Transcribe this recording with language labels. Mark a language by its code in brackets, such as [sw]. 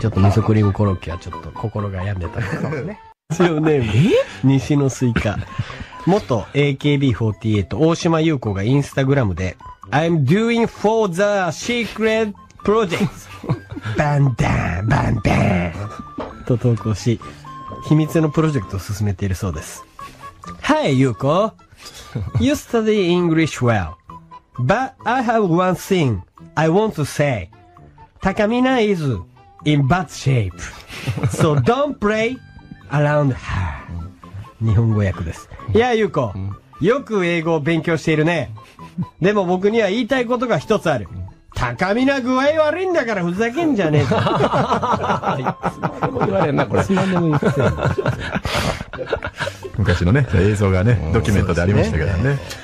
[ja] ちょっと味噌クリームコロッケはちょっと心が病んでたけどね。え、西のスイカ。元 AKB48 大島優子がインスタグラムで [en] I'm doing for the secret project [ja] バンダンバンダンと投稿し、秘密のプロジェクトを進めているそうです。 [en] Hi 優子 You study English well But I have one thing I want to say Takamina isin bad shape so don't play around her [ja] 日本語訳です。いや、ゆうこ、よく英語を勉強しているね。でも僕には言いたいことが一つある。高みな具合悪いんだからふざけんじゃねえぞ。言われんな、これ。何でも言ってた。昔のね、映像がね、ドキュメントでありましたからね。